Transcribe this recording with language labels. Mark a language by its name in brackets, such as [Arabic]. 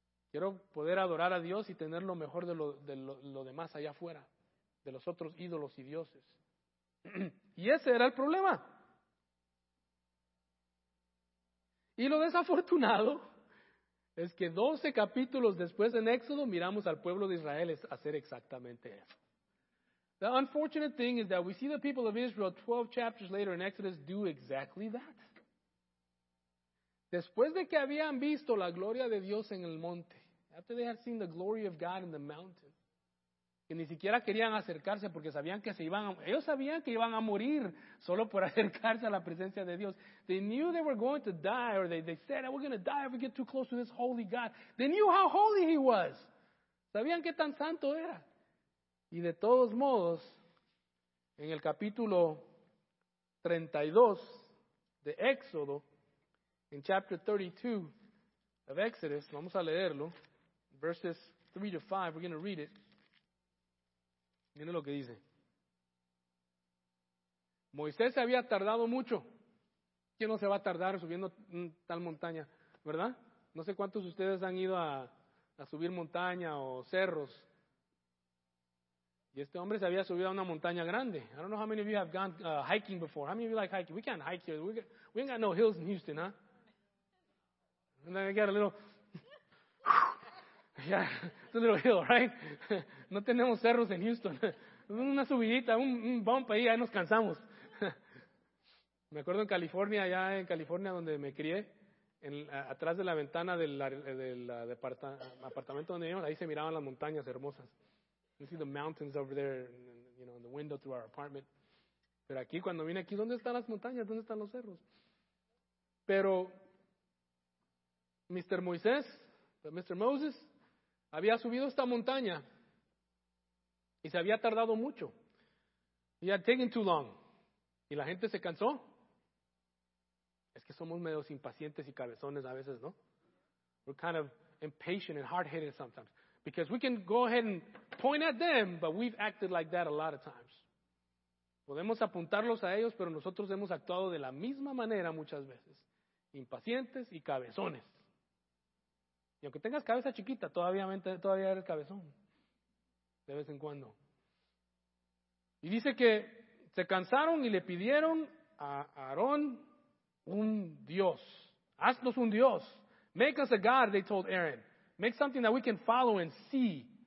[Spanish] Quiero poder adorar a Dios y tener lo mejor de lo demás allá afuera, de los otros ídolos y dioses. Y ese era el problema. Y lo desafortunado es que 12 capítulos después en Éxodo miramos al pueblo de Israel hacer exactamente eso. [English] The unfortunate thing is that we see the people of Israel 12 chapters later in Exodus do exactly that. [Spanish] Después de que habían visto la gloria de Dios en el monte, [English] after they had seen the glory of God in the mountain, [Spanish] que ni siquiera querían acercarse porque sabían que se iban a, ellos sabían que iban a morir solo por acercarse a la presencia de Dios. [English] They knew they were going to die, or they said, we're going to die if we get too close to this holy God. They knew how holy he was. [Spanish] Sabían qué tan santo era. Y de todos modos, en el capítulo 32 de Éxodo, en [English] chapter 32 of Exodus, [Spanish] vamos a leerlo, [English] verses 3 to 5, we're going to read it. [Spanish] Miren lo que dice. Moisés se había tardado mucho. ¿Quién no se va a tardar subiendo tal montaña? ¿Verdad? No sé cuántos de ustedes han ido a subir montaña o cerros. Y este hombre se había subido a una montaña grande. [English] I don't know how many of you have gone hiking before. How many of you like hiking? We can't hike here. We ain't got no hills in Houston, huh? And then I got a little... Yeah, it's a little hill, right? [Spanish] No tenemos cerros en Houston. Una subidita, un bump ahí, ahí nos cansamos. Me acuerdo en California, allá en California donde me crié, atrás de la ventana del apartamento donde vivíamos, ahí se miraban las montañas hermosas. [English] You see the mountains over there, you know, in the window through our apartment. [Spanish] Pero aquí, cuando vine aquí, ¿dónde están las montañas? ¿Dónde están los cerros? Pero, Mr. Moses, había subido esta montaña y se había tardado mucho. [English] He had taken too long. [Spanish] Y la gente se cansó. Es que somos medio impacientes y cabezones a veces, ¿no? [English] We're kind of impatient and hard-headed sometimes. Because we can go ahead and point at them, but we've acted like that a lot of times. [Spanish] Podemos apuntarlos a ellos, pero nosotros hemos actuado de la misma manera muchas veces. Impacientes y cabezones. Y aunque tengas cabeza chiquita, todavía eres cabezón. De vez en cuando. Y dice que se cansaron y le pidieron a Aarón un Dios. Haznos un Dios. [English] Make us a God, they told Aaron. Make something that we can follow and see.